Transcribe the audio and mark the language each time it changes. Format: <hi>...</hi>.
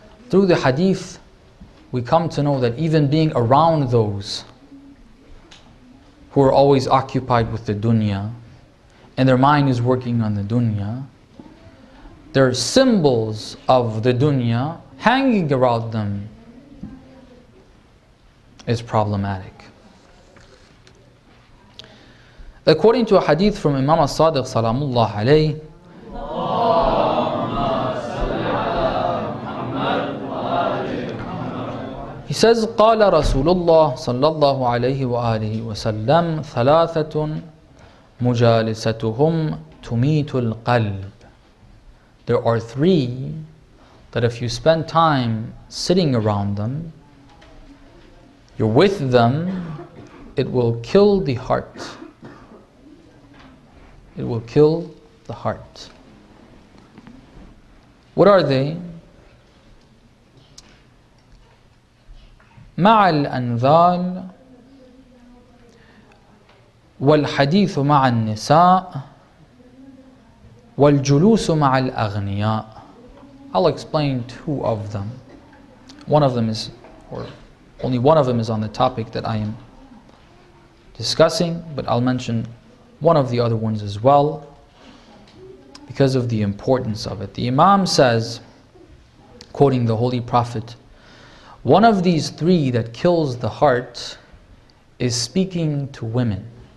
<en>Through the hadith, we come to know that even being around those who are always occupied with the dunya and their mind is working on the dunya, there are symbols of the dunya hanging around them is problematic. According to a hadith from Imam al-Sadiq salamullah alayhi, he says,</en> <ar>قال رسول الله صلى الله عليه وآله وسلم ثلاثة مجالستهم تميت القلب.</ar> <en>There are three that if you spend time sitting around them, you're with them, it will kill the heart. It will kill the heart. What are they?</en> <ar>مع الأنذال والحديث مع النساء والجلوس مع الأغنياء.</ar> <en>I'll explain two of them. Only one of them is on the topic that I am discussing, but I'll mention one of the other ones as well because of the importance of it. The Imam says, quoting the Holy Prophet, one of these three that kills the heart is speaking to women.</en>